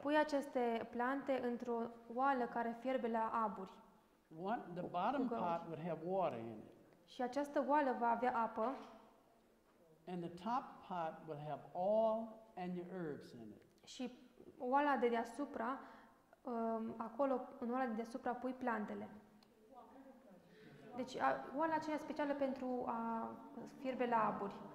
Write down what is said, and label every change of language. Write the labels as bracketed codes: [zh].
[ro] Pui aceste plante într-o oală care fierbe la aburi. [en] The bottom pot would have water in it. [ro] Și această oală va avea apă. [en] And the top pot will have oil and your herbs in it. [ro] Și oala de deasupra, acolo în oala de deasupra pui plantele. Deci oala aceea specială pentru a fierbe la aburi.